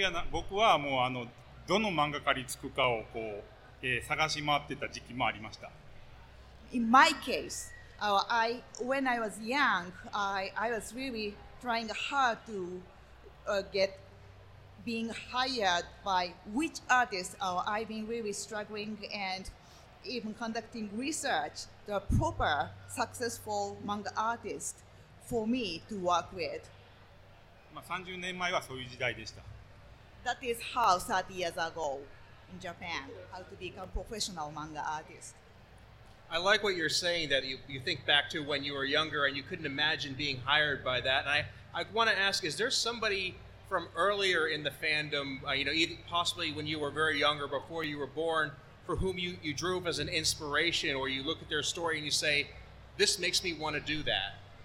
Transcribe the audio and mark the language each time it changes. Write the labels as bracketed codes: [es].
[ja] 僕はもうあのどの漫画家につくかをこう、探し回ってた時期もありました。 [en] In my case,when I was young, I was really trying hard to get being hired by which artist. I've been really struggling and even conducting research the proper successful manga artist for me to work with. [ja] まあ30年前はそういう時代でした。 [en] That is how 30 years ago. in Japan, how to become a professional manga artist. I like what you're saying, that you think back to when you were younger and you couldn't imagine being hired by that. And I want to ask, is there somebody from earlier in the fandom, possibly when you were very young or before you were born, for whom you drew up as an inspiration, or you look at their story and you say, this makes me want to do that?